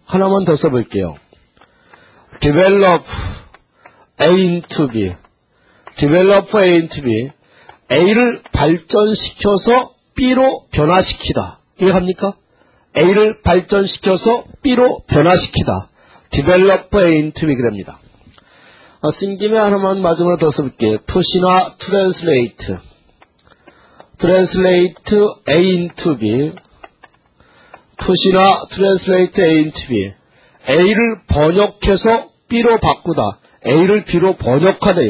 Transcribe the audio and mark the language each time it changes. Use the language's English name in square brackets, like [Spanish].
[Korean] 하나만 더 써볼게요. [English] Develop A into B. Develop A into B. [Korean] A를 발전시켜서 B로 변화시키다. 이해합니까? A를 발전시켜서 B로 변화시키다. [English] Develop A into B [Korean] 그럽니다. 아, 쓴 김에 하나만 마지막으로 더 써볼게요. [English] Push나 Translate. Translate A into B. Push나 Translate A into B. [Korean] A를 번역해서 B로 바꾸다. A를 B로 번역하다.